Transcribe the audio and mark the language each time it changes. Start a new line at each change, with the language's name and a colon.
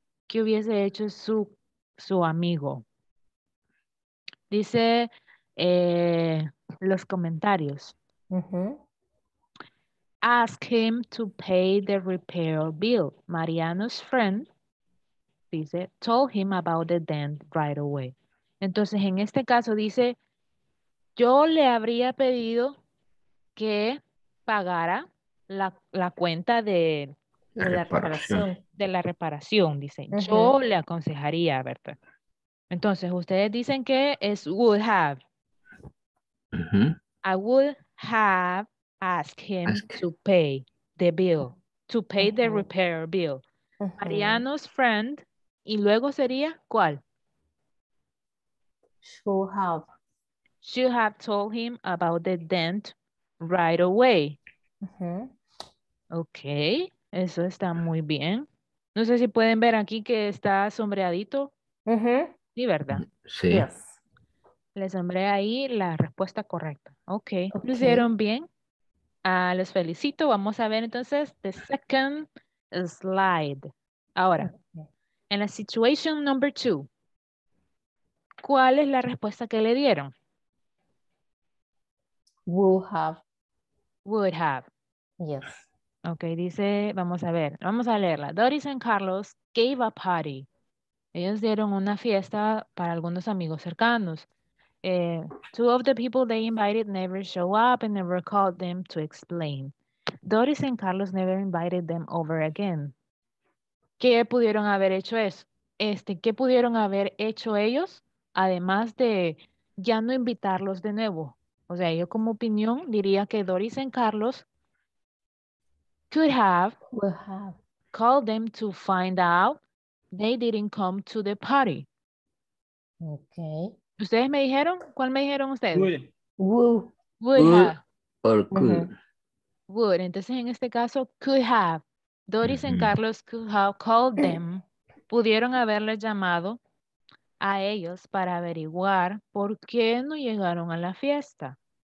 Spanish: ¿Qué hubiese hecho su amigo? Dice los comentarios. Uh-huh.
English: Ask him to pay the repair bill. Mariano's friend, dice, told him about the dent right away.
Spanish: Entonces, en este caso, dice, yo le habría pedido que pagara la cuenta de la reparación, dice. Uh-huh. Yo le aconsejaría, ¿verdad? Entonces, ustedes dicen que es
English: would have. Uh-huh. I would have asked him to pay the bill, to pay the repair bill.
Spanish: Uh-huh.
English: Mariano's friend,
Spanish: y luego sería, ¿cuál?
English: Should have. Should have told him about the dent right away. Uh-huh.
Spanish: Okay, eso está muy bien. No sé si pueden ver aquí que está sombreadito. Uh-huh. Sí, ¿verdad? Sí.
English: Yes.
Spanish: Les nombré ahí la respuesta correcta. Okay. Okay. ¿Lo hicieron bien? Les felicito. Vamos a ver entonces
English: the second slide.
Spanish: Ahora, en la
English: situation number two,
Spanish: ¿cuál es la respuesta que le dieron?
English: Would have. Yes. Okay, dice,
Spanish: vamos a leerla.
English: Doris and Carlos gave a party.
Spanish: Ellos dieron una fiesta para algunos amigos cercanos.
English: Two of the people they invited never show up and never called them to explain. Doris and Carlos never invited them over again.
Spanish: ¿Qué pudieron haber hecho eso? ¿Qué pudieron haber hecho ellos? Además de ya no invitarlos de nuevo. O sea, yo como opinión diría que
English: Doris and Carlos could have called them to find out they didn't come to the party. Okay.
Spanish: ¿Ustedes me dijeron? ¿Cuál me dijeron ustedes?
English: Would. Would have. Or could.
Spanish: would. Entonces, en este caso,
English: could have. Doris mm-hmm. and Carlos could have called them.
Spanish: Pudieron haberle llamado a ellos para averiguar por qué no llegaron a la fiesta.